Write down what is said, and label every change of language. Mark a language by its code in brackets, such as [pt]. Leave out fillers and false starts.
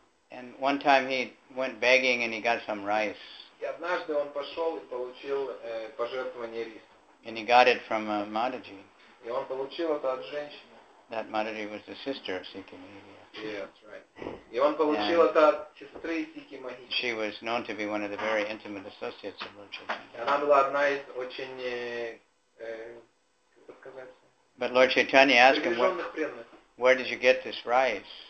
[en] And one time he went begging and he got some rice. [ru] И однажды он пошел и получил пожертвование риса. [en] And he got it from a Mataji. [ru] И он получил это от женщины. [en] That Mataji was the sister of Sikhi Mahiti. Yeah, that's right. [ru] И он получил это от сестры Сикхи Махити. [en] She was known to be one of the very intimate associates of Lord Chaitanya. [ru] Она была одна из очень, как сказать, [en] But Lord Chaitanya asked him, where did you get this rice?